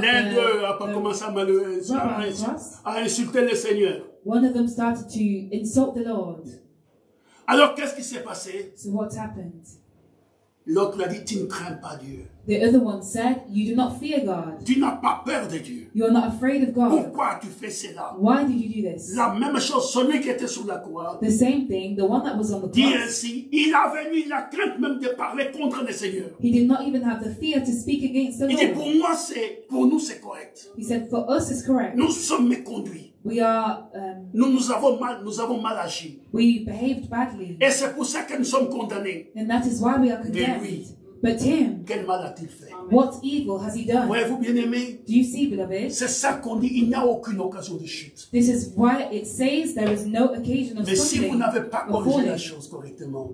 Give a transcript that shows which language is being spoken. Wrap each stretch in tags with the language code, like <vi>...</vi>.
<fr>l'un d'eux a pas commencé à insulter le Seigneur.</fr> <en>One of them started to insult the Lord.</en> <fr>Alors qu'est-ce qui s'est passé?</fr> <en>So what happened?</en> <fr>L'autre l'a dit, tu ne crains pas Dieu.</fr> <en>The other one said, you do not fear God.</en> <fr>Tu n'as pas peur de Dieu.</fr> <en>You are not afraid of God.</en> <fr>Pourquoi tu fais cela?</fr> <en>Why did you do this?</en> <fr>La même chose, celui qui était sur la croix.</fr> <en>The same thing, the one that was on the</en> <fr>dit</fr> <en>cross.</en> <fr>Dit ainsi, il avait mis la crainte même de parler contre le Seigneur.</fr> <en>He did not even have the fear to speak against the</en> <fr>il</fr> <en>Lord.</en> <fr>Il dit, pour moi, c'est, pour nous, c'est correct.</fr> <en>He said, for us, it's correct.</en> <fr>Nous sommes méconduits.</fr> <en>We are,</en> <fr>nous avons mal agi.</fr> <en>We behaved badly.</en> <fr>Et c'est pour ça que nous sommes condamnés.</fr> <en>And that is why we are condemned.</en> <fr>Mais lui,</fr> <en>but him,</en> <fr>quel mal a-t-il fait?</fr> <en>What evil has he done?</en> <fr>Voyez-vous bien aimé?</fr> <en>Do you see, beloved?</en> <fr>C'est ça qu'on dit, il n'y a aucune occasion de chute.</fr> <en>This is why it says there is no occasion of</en> <fr>Mais si vous n'avez pas corrigé la chose correctement,</fr>